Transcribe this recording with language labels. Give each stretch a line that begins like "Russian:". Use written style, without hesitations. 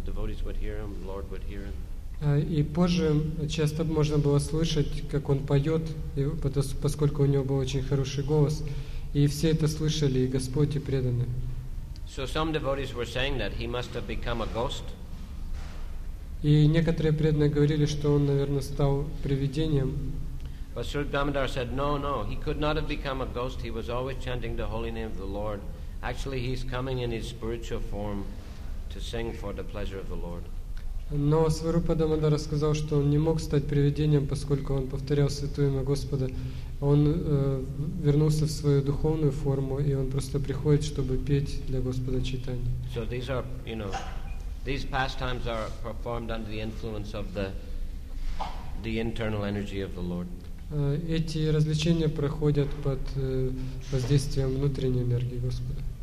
English: The devotees would hear him, the Lord would hear him.
Russian: И позже часто можно было слышать, как он поет, поскольку у него был очень хороший голос, и все это слышали, и Господь, и преданные.
English: So some devotees were saying that he must have become a ghost.
Russian: И некоторые преданные говорили, что он, наверное, стал привидением.
English: But Sri Damodar said, no, no, he could not have become a ghost. He was always chanting the holy name of the Lord. Actually, he's coming in his spiritual form to sing for the pleasure of the Lord.
Russian: Но Сварупа Дамодара сказал, что он не мог стать привидением, поскольку он повторял святое имя Господа. Он вернулся в свою духовную форму, и он просто приходит, чтобы петь для Господа Чайтанья.
English: So these are, you know, these pastimes are performed under the influence of the internal energy of the Lord.
Russian: Эти развлечения проходят под воздействием внутренней энергии Господа.